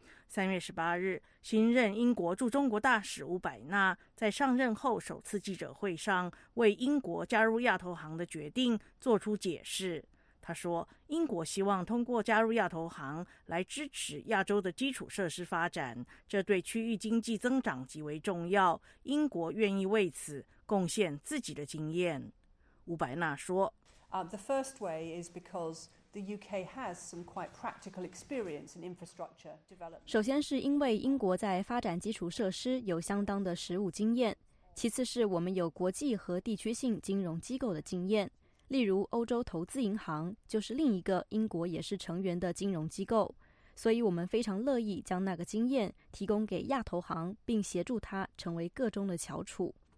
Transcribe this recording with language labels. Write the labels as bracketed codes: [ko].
[zh] 3月18日，新任英国驻中国大使伍百纳在上任后首次记者会上为英国加入亚投行的决定做出解释。他说，英国希望通过加入亚投行来支持亚洲的基础设施发展，这对区域经济增长极为重要，英国愿意为此贡献自己的经验。伍百纳说， [en] The first way is because the UK has some quite practical experience in infrastructure development. [zh] 首先是因为英国在发展基础设施有相当的实务经验，其次是我们有国际和地区性金融机构的经验，例如欧洲投资银行就是另一个英国也是成员的金融机构，所以我们非常乐意将那个经验提供给亚投行，并协助它成为个中的翘楚。